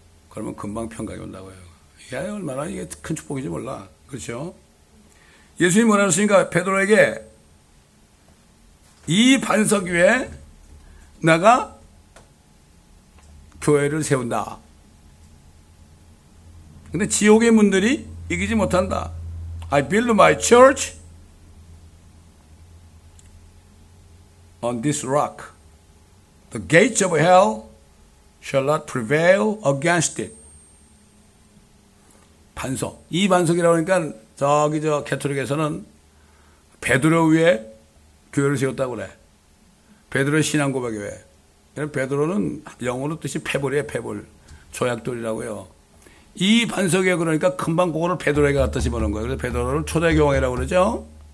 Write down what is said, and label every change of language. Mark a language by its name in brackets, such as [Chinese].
[Korean] 그러면 금방 평강이 온다고요. 야, 얼마나 이게 큰 축복인지 몰라. 그렇죠? 예수님이 뭐라 하셨으니까 베드로에게 이 반석 위에 내가 교회를 세운다. 근데 지옥의 문들이 이기지 못한다. [English] I build my church on this rock. The gates of hell shall not prevail against it. [Korean] 반석. 이 반석이라고 하니까 저기 저 캐톨릭에서는 베드로 위에 교회를 세웠다고 그래. 베드로의 신앙 고백 위에. 베드로는 영어로 뜻이 패볼이에요. 패볼. 조약돌이라고요. 이 반석에 그러니까 금방 그거를 베드로에게 갖다 집어넣은 거예요. 그래서 베드로를 초대 교황이라고 그러죠.